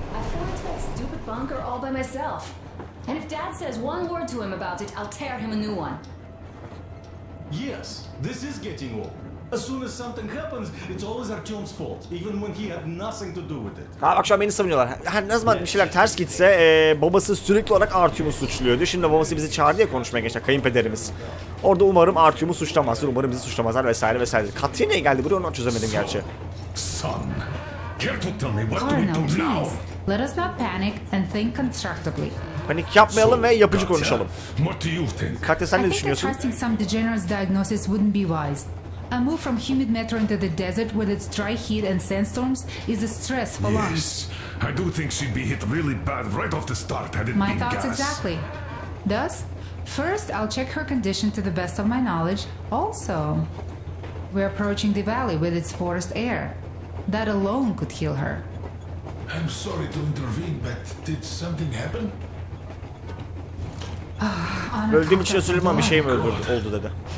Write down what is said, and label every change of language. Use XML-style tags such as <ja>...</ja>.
<en>I found that stupid bunker all by myself. And if Dad says one word to him about it, I'll tear him a new one. Yes, this is getting old. As soon as something happens, it's always Artyom's fault, even when he had nothing to do with it.</en> <tr>Ha bak, şu an beni savunuyorlar. Her ne zaman bir şeyler ters gitse, babası sürekli olarak Artyom'u suçluyordu. Şimdi babası bizi çağırdı ya konuşmaya gençler, kayınpederimiz. Orada umarım Artyom'u suçlamazlar, umarım bizi suçlamazlar vesaire vesaire. Katya niye geldi buraya, onu çözemedim gerçi.</tr> <en>Son, care to tell me what do we do now? Let us not panic and think constructively.</en> <tr>panik yapmayalım ve yapıcı konuşalım. Katya sen ne düşünüyorsun?</tr> <en>I think trusting some degenerate diagnosis wouldn't be wise. A move from humid metro into the desert with its dry heat and sandstorms is a stress for lungs. Yes, I do think she'd be hit really bad right off the start had it been gas. My thoughts exactly. Thus, first I'll check her condition to the best of my knowledge. Also, we're approaching the valley with its forest air. That alone could heal her. I'm sorry to intervene, but did something happen?</en> <tr>Öldüğüm için özür dilerim ama bir şey mi öldürdü, oldu dedi.</tr>